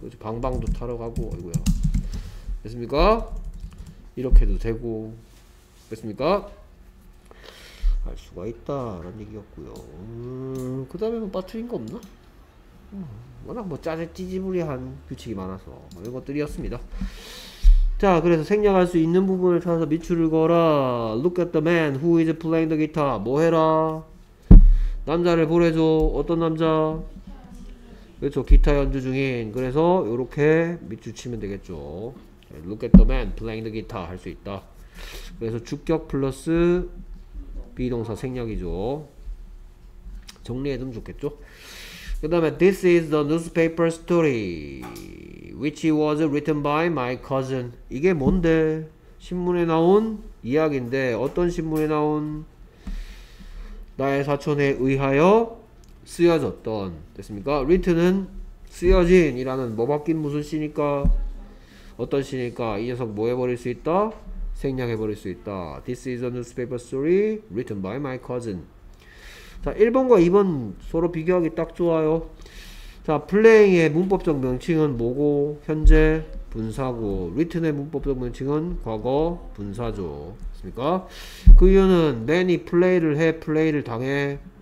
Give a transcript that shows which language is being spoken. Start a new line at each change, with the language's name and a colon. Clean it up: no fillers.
Korean: 그래서 방방도 타러 가고 아이고야. 됐습니까? 이렇게도 되고. 됐습니까? 할 수가 있다라는 얘기였고요. 그 다음에 뭐 빠트린 거 없나? 워낙 뭐 짜증 찌지부리한 규칙이 많아서 이런 것들이었습니다. 자, 그래서 생략할 수 있는 부분을 찾아서 밑줄을 걸어.
English: Look at the man who is playing the guitar.
Korean: 뭐해라? 남자를 보내줘. 어떤 남자? 그렇죠. 기타 연주 중인. 그래서 요렇게 밑줄 치면 되겠죠.
English: Look at the man playing the guitar
Korean: 할 수 있다. 그래서 주격 플러스 비동사 생략이죠. 정리해 두면 좋겠죠. 그 다음에
English: This is the newspaper story which was written by my cousin.
Korean: 이게 뭔데? 신문에 나온 이야기인데 어떤 신문에 나온? 나의 사촌에 의하여 쓰여졌던. 됐습니까? written은 쓰여진 이라는 뭐 바뀐 무슨 시니까? 어떤 시니까? 이 녀석 뭐 해버릴 수 있다? 생략해버릴 수 있다.
English: This is a newspaper story written by my cousin.
Korean: 자, 1번과 2번 서로 비교하기 딱 좋아요. 자, playing의 문법적 명칭은 뭐고? 현재 분사고. written의 문법적 명칭은 과거 분사죠. 됐습니까? 그 이유는 man이 play를 해, play를 당해.